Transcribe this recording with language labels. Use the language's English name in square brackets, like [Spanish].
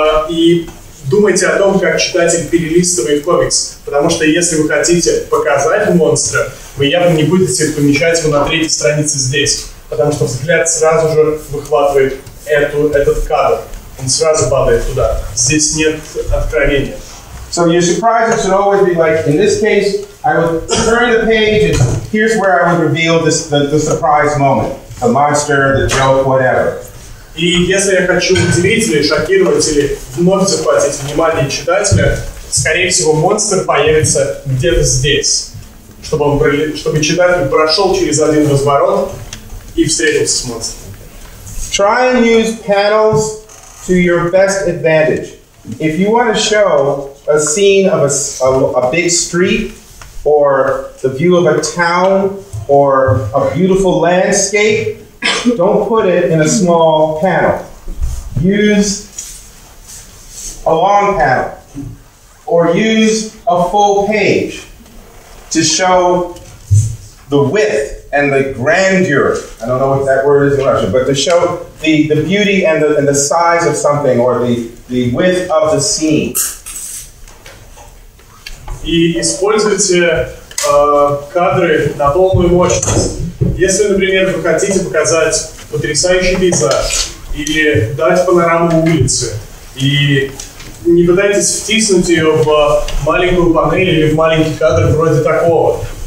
[Russian] И думайте о том, как читатель перелистывает комикс. Потому что если вы хотите показать монстра, вы явно не будете помещать его на третьей странице здесь. Потому что взгляд сразу же выхватывает этот кадр. Он сразу падает туда. Здесь нет откровения. [English] So your surprises should always be like, in this case, I would turn the page and here's where I would reveal this, the surprise moment. The monster, the joke, whatever. [Russian] И если я хочу удивить или шокировать, или вновь захватить внимание читателя, скорее всего, монстр появится где-то здесь. Чтобы читатель прошел через один разворот и встретился с монстром. [English] Try and use panels to your best advantage. If you want to show a scene of a big street, or the view of a town, or a beautiful landscape, don't put it in a small panel. Use a long panel, or use a full page. to show the width and the grandeur. I don't know what that word is in Russian, but to show the beauty and the size of something, or the width of the scene. [Russian] И используйте кадры на полную мощность. Если, например, вы хотите показать потрясающий пейзаж или дать панораму улицы, и не пытайтесь втиснуть ее в маленькую панель или в маленький кадр вроде такого.